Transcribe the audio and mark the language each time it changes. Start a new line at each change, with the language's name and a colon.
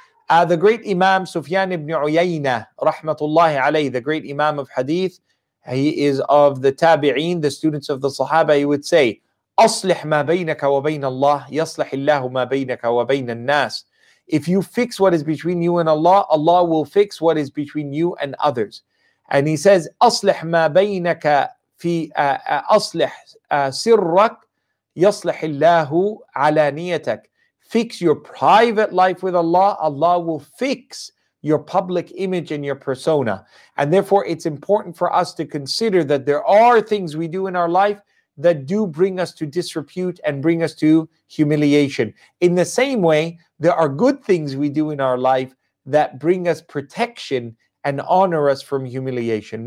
English: The great Imam Sufyan ibn Uyayna, rahmatullahi alayhi, the great Imam of Hadith, he is of the Tabi'een, the students of the Sahaba, he would say,
Arabic: أصلح ما بينك وبين الله يصلح الله ما بينك وبين الناس.
English: If you fix what is between you and Allah, Allah will fix what is between you and others. And he says,
Arabic: أصلح ما بينك في أصلح سرك يصلح الله علانيتك.
English: Fix your private life with Allah. Allah will fix your public image and your persona. And therefore, it's important for us to consider that there are things we do in our life that do bring us to disrepute and bring us to humiliation. In the same way, there are good things we do in our life that bring us protection and honor us from humiliation.